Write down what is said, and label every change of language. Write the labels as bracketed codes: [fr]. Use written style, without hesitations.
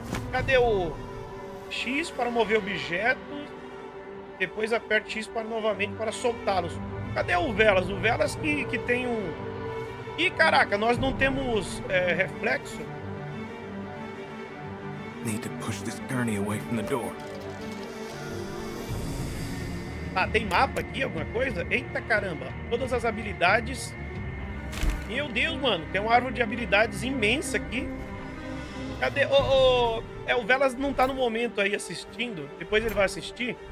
[pt] Cadê o X para mover objetos, depois aperte X para novamente para soltá-los. Cadê o Velas? O Velas que tem um... Ih, caraca, nós não temos reflexo. [en] Need to push this gurney away from the door. [pt] Ah, tem mapa aqui, alguma coisa? Eita caramba, todas as habilidades. Meu Deus, mano, tem uma árvore de habilidades imensa aqui. Cadê? O Velas não tá no momento aí assistindo. Depois ele vai assistir.